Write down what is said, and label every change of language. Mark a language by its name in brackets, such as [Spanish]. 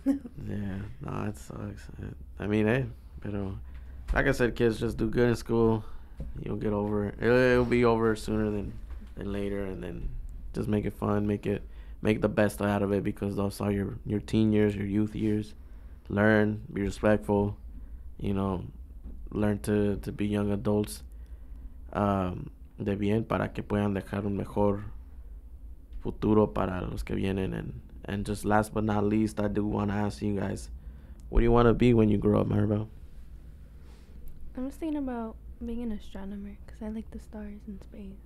[English] Yeah, no, it sucks. I mean, hey, pero like I said, kids, just do good in school, you'll get over it. It'll be over sooner than later, and then just make it fun, make the best out of it, because those are your teen years, your youth years. Learn, be respectful, you know, learn to be young adults. [Spanish] de bien para que puedan dejar un mejor futuro para los que vienen. [English] And just last but not least, I do want to ask you guys, what do you want to be when you grow up, Maribel? I'm just thinking about being an astronomer because I like the stars and space.